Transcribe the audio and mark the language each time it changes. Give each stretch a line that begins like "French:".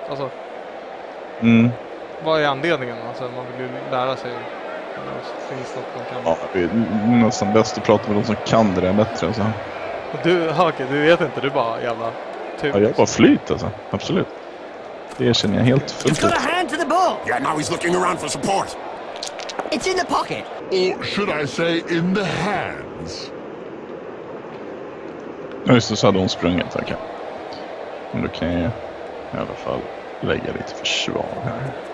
Swedish: Alltså, vad är anledningen? Alltså, man vill ju lära sig. Finns något man kan? Ja, det är nästan bäst att prata med de som kan det där bättre. Alltså. Du, okej, du vet inte. Du bara jävla typ. Ja, jag bara flyt alltså. Absolut. Det känner jag helt fullt.
English: He's got a hand to the ball. Yeah, now he's looking around for support. It's in the pocket. Or should I say in the hands?
Swedish: Nu just det, så hade hon sprungit, tack. Men då kan jag i alla fall lägga lite försvar här.